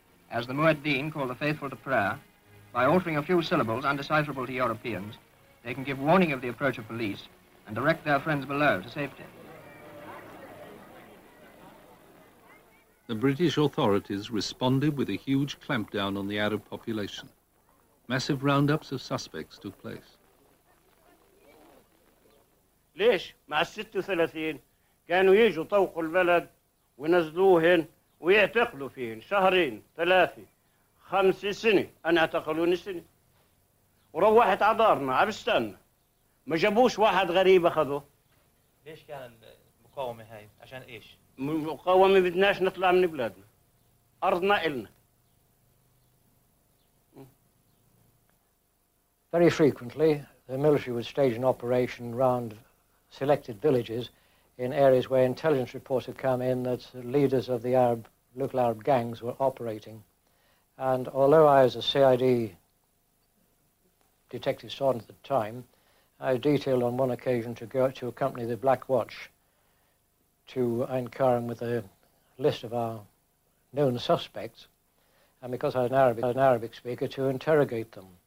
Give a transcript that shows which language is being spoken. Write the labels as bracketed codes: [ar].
[en] As the Mu'addin call the faithful to prayer, by altering a few syllables undecipherable to Europeans, they can give warning of the approach of police and direct their friends below to safety. The British authorities responded with a huge clampdown on the Arab population. Massive roundups of suspects took place. [ar] ليش مع 36 كانوا يجوا طوقوا البلد ونزلوهن ويعتقلوا فيهن شهرين ثلاثة خمس سنة أنا اعتقلوني سنة وروحت على دارنا عم استنى ما جابوش واحد غريب أخذوه ليش كان المقاومة هاي عشان إيش مقاومة بدناش نطلع من بلادنا أرضنا إلنا [en] Very frequently, the military would stage an operation round selected villages in areas where intelligence reports had come in that leaders of the Arab, local Arab gangs were operating. And although I was a CID detective sergeant at the time, I was detailed on one occasion to go to accompany the Black Watch to Ain Karim with a list of our known suspects, and because I was an Arabic speaker, to interrogate them.